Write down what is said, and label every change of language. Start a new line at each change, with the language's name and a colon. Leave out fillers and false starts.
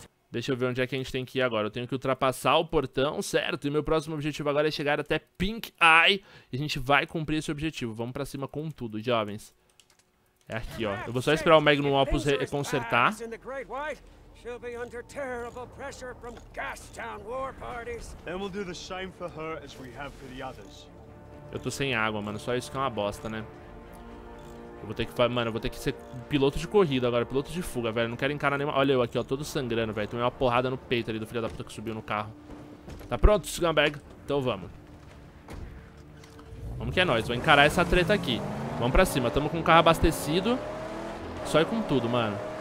Portuguese: Deixa eu ver onde é que a gente tem que ir agora. Eu tenho que ultrapassar o portão, certo? E meu próximo objetivo agora é chegar até Pink Eye. E a gente vai cumprir esse objetivo. Vamos pra cima com tudo, jovens. É aqui, ó. Eu vou só esperar o Magnum Opus consertar.
English: She'll be under terrible pressure from Gastown war parties. Then we'll do the same for her as we have for the others.
Portuguese: Eu tô sem água, mano. Só isso que é uma bosta, né? Eu vou ter que, mano, eu vou ter que ser piloto de corrida agora, piloto de fuga, velho. Não quero encarar nenhuma... Olha eu aqui, ó, todo sangrando, velho. Tomei uma porrada no peito ali do filho da puta que subiu no carro. Tá pronto, scumbag? Então vamos. Vamos que é nóis, vou encarar essa treta aqui. Vamos pra cima, tamo com o carro abastecido. Só ir com tudo, mano.